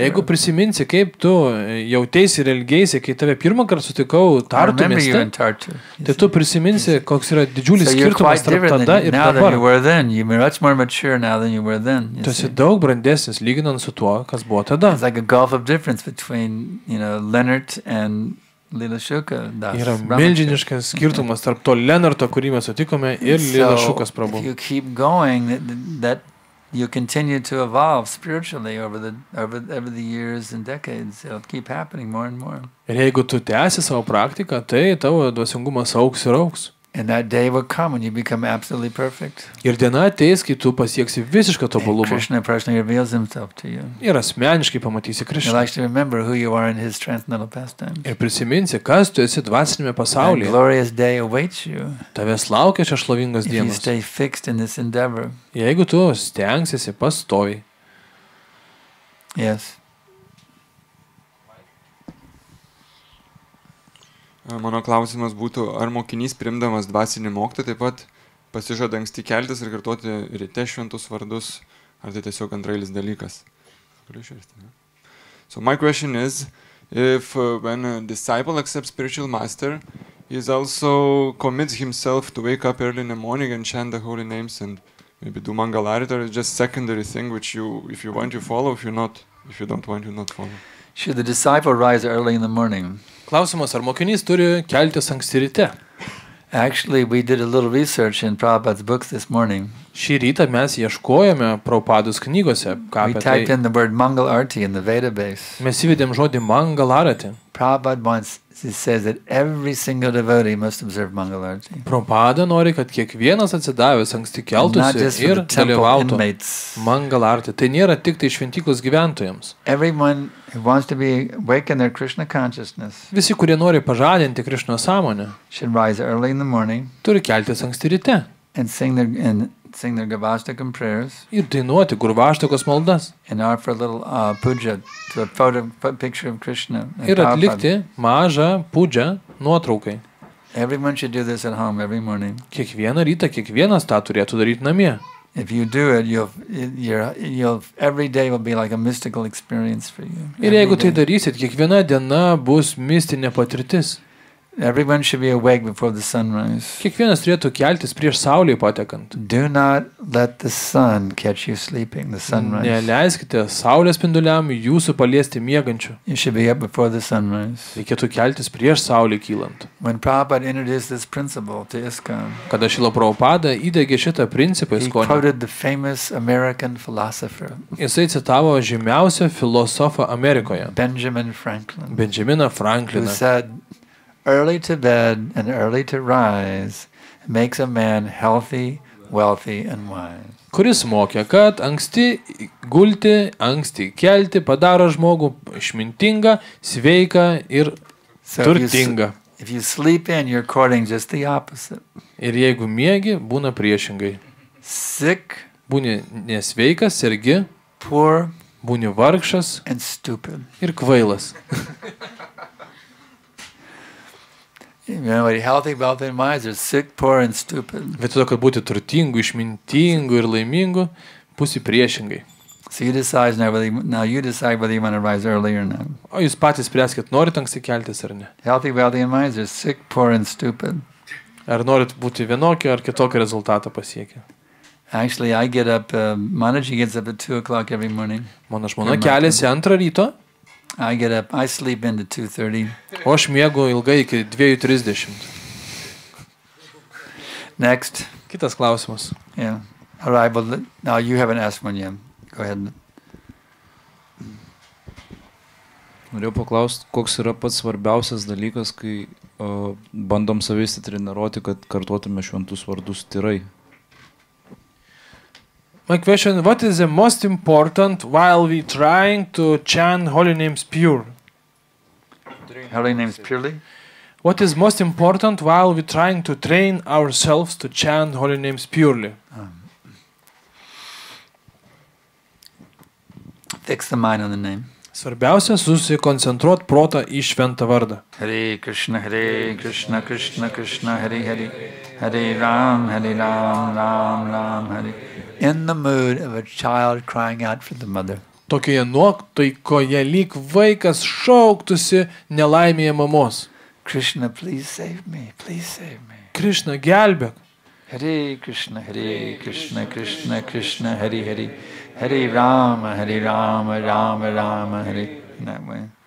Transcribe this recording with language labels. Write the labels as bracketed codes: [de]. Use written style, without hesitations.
[lt] Jeigu prisiminsi, kaip tu jauteisi ir elgėsi, kai tave pirmą kartą sutikau Tartu mieste, tai tu prisiminsi, koks yra didžiulis skirtumas tarp tada ir dabar. [en] You're much more mature now than you were then. [lt] Tu esi daug brandesnis lyginant su tuo, kas buvo tada. [en] It's like a gulf of difference between, you know, Leonard and Lila Shuka, das [lt] yra milžiniškas Ramachuk. Skirtumas tarp to Lenarto, kurį mes sutikome, ir Lila Shukas prabu. [en] So, if you keep going, that you continue to evolve spiritually over the years and decades, it'll keep happening more and more. [lt] Ir jeigu tu tęsi savo praktiką, tai tavo dvasingumas augs ir augs. [en] And that day will come when you become absolutely perfect. [lt] Ir diena ateis, kai tu pasieksi visišką tobulumą. [en] Krishna personally reveals himself to you. [lt] Ir asmeniškai pamatysi Krishna. [en] You'll actually remember who you are in his transcendental pastimes. [lt] Ir prisiminsi, kas tu esi dvasiniame pasaulyje. [en] That glorious day awaits you. [lt] Tavęs laukia šios šlovingos dienos. [en] If you stay fixed in this endeavor. [lt] Jeigu tu stengsiesi pastovi. [en] Yes. [lt] Mano klausimas būtų, ar mokinys priimdamas dvasinį moktą taip pat pasižada anksti keltis ir kartuoti ryte šventus vardus, ar tai tiesiog antrailis dalykas? [en] So my question is, if when a disciple accepts spiritual master, he also commits himself to wake up early in the morning and chant the holy names and maybe do mangalarita, or is just secondary thing which you, if you want, you follow, if you don't want, you not follow. Should the disciple rise early in the morning? Klausimas, ar mokinys turi keltis anksti ryte? Actually, we did a little research in Prabhupada's books this morning. [lt] Šį rytą mes ieškojame Prabhupados knygose, ką apie tai. [en] We typed in the word mangalarti in the Vedabase. [lt] Mes įvedėm žodį mangalarati. [en] Prabhupada once says that every single devotee must observe mangalarti. [lt] Prabhupada nori, kad kiekvienas atsidavęs anksti keltųsi ir dalyvautų mangalarti. Tai nėra tik tai šventyklos gyventojams. [en] Everyone who wants to be awakened their Krishna consciousness. [lt] Visi, kurie nori pažadinti Krishna sąmonę, [en] should rise early in the morning. [lt] Turi keltis anksti ryte. [en] And sing their Gavastakam prayers. [lt] Ir dainuoti Gurvaštakos maldas. [en] And offer a little puja to a photo picture of Krishna. [lt] Ir atlikti mažą puja nuotraukai. [en] Everyone should do this at home every morning. [lt] Kiekvieną rytą kiekvienas tą turėtų daryti namie. [en] If you do it, you'll every day will be like a mystical experience for you. [lt] Ir jeigu tai darysit, kiekviena diena bus mistinė patirtis. [en] Everyone should be awake before the sunrise. [lt] Kiekvienas turėtų keltis prieš saulei patekant. [en] Do not let the sun catch you sleeping, the sunrise. [lt] Neleiskite saulės spinduliam jūsų paliesti miegančių. [en] You should be up before the sunrise. [lt] Reikėtų keltis prieš saulei kylant. [en] When Prabhupada introduced this principle to ISKCON, [lt] kada Šila Prabhupada įdegė šitą principą ISKCON, [en] he quoted the famous American philosopher. [lt] Jisai citavo žymiausią filosofą Amerikoje. [en] Benjamin Franklin. [lt] Benjaminą Franklin. [en] Who said, early to bed and early to rise makes a man healthy, wealthy and wise. [lt] Kuris mokė, kad anksti gulti, anksti kelti padaro žmogų išmintingą, sveiką ir turtingą. [en] If you sleep in, you're courting just the opposite. [lt] Ir jeigu miegi, būna priešingai. [en] Sick, [lt] būni nesveikas, sergi. [en] Poor, [lt] būni vargšas. [en] And stupid. [lt] Ir kvailas. [en] You know, healthy, wealthy and wise are sick, poor and stupid. [lt] Vietoj to, kad būti turtingu, išmintingu ir laimingu, būsi priešingai. [en] So you decide now you decide whether you want to rise early or not. [lt] O jūs patys spręskit, norit anksti keltis ar ne. [en] Healthy, wealthy and wise are sick, poor and stupid. [lt] Ar norit būti vienokio ar kitokio rezultato pasiekę? [en] Actually, I get up, Manaji gets up at 2 o'clock every morning. [lt] Mano žmona keliasi antrą ryto. [en] I get up, I sleep into 2:30. [lt] O aš miegu ilgai iki 2:30. [en] Next. [lt] Kitas klausimas. [en] Yeah. All right, but now you haven't asked one yet. Go ahead. [lt] Norėjau paklausti, koks yra pats svarbiausias dalykas, kai bandom savęs treniruoti, kad kartuotume šventus vardus tyrai. [en] My question, what is the most important while we trying to chant holy names pure? Holy names purely? What is most important while we trying to train ourselves to chant holy names purely? Fix the mind on the name. [lt] Svarbiausia susikoncentruot protą į šventą vardą. [sa] Hare Krishna, Hare Krishna, Krishna Krishna, Hare Hare. Hare Ram, Hare Ram, Ram Ram, Hare. [en] In the mood of a child crying out for the mother. [lt] Tokioje nuotaikoje lyg vaikas šauktųsi nelaimėje mamos. [en] Krishna, please save me, please save me. [lt] Krishna, gelbėk. [sa] Hare Krishna, Hare Krishna, Krishna Krishna, Hare Hare. Hare Rama, Hare Rama, Rama Rama, Hare. [en] In that way.